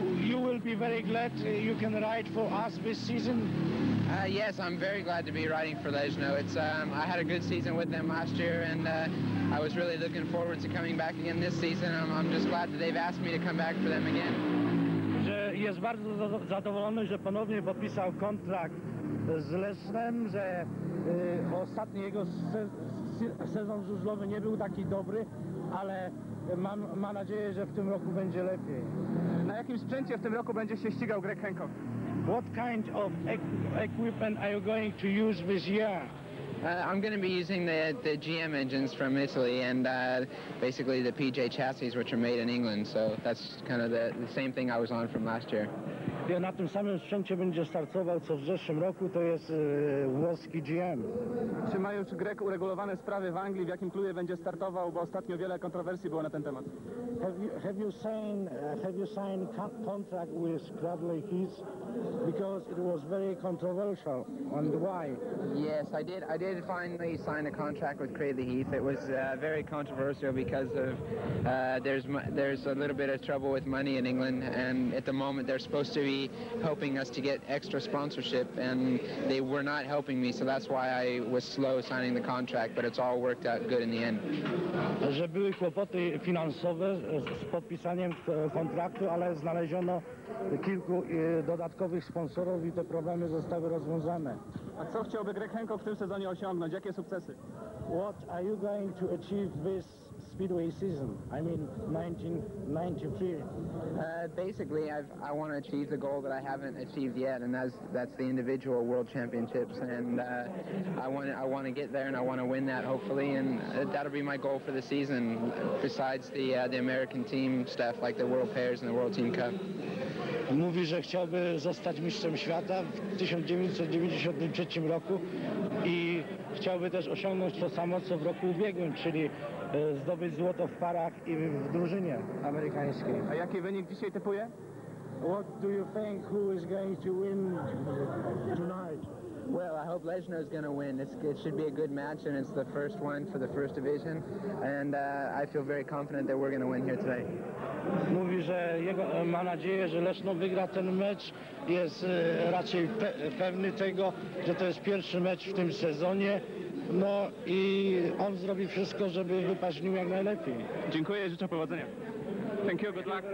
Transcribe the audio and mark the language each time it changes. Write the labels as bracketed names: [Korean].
[English] You will be very glad you can ride for us this season. Yes, I'm very glad to be riding for Legno. I had a good season with them last year and I was really looking forward to coming back again this season. I'm just glad that they've asked me to come back for them again. [Polish] Jest bardzo zadowolony, że ponownie podpisał kontrakt z Lesznem, że ostatni jego sezon żużlowy nie był taki dobry, ale ma nadzieję, że w tym roku będzie lepiej. Na jakim sprzęcie w tym roku będzie się ścigał Greg Hancock? [English] What kind of equipment are you going to use this year? I'm going to be using the GM engines from Italy and basically the PJ chassis, which are made in England. So that's kind of the same thing I was on from last year. [Polish] Ja na tym samym sprzęcie będzie startował co w zeszłym roku, to jest włoski GM. Czy ma już Greg uregulowane sprawy w Anglii, w jakim klubie będzie startował, bo ostatnio wiele kontrowersji było na ten temat? [English] Have you signed contract with Bradley Keys? Because it was very controversial. And why? Yes, I did finally sign a contract with Craig Heath. It was very controversial because of there's a little bit of trouble with money in England, and at the moment they're supposed to be helping us to get extra sponsorship, and they were not helping me, so that's why I was slow signing the contract. But it's all worked out good in the end. [Polish] Że były kłopoty finansowe z podpisaniem kontraktu, ale znaleziono kilku dodatkowych sponsorów i te problemy zostały rozwiązane. A co chciałby Greg Hancock w tym sezonie osiągnąć? Jakie sukcesy? [English] What are you going to achieve this Speedway season? I mean 1993. Basically I want to achieve the goal that I haven't achieved yet, and that's the individual world championships, and I want to get there and I want to win that hopefully, and that'll be my goal for the season besides the American team stuff like the World Pairs and the World Team Cup. [Polish] Mówi, że chciałby zostać mistrzem świata w 1993 roku i chciałby też osiągnąć to samo co w roku ubiegłym, czyli zdobyć złoto w parach i w drużynie amerykańskiej. A jaki wynik dzisiaj typuje? [English] What do you think, who is going to win tonight? Well, I hope Lesno is going to win. It should be a good match, and it's the first one for the first division, and I feel very confident that we're going to win here today. [Polish] Mówi, że jego, ma nadzieję, że Lesno wygra ten mecz. Jest raczej pewny tego, że to jest pierwszy mecz w tym sezonie. No i on zrobi wszystko, żeby wypaść w nim jak najlepiej. Dziękuję i życzę powodzenia. [English] Thank you, good luck.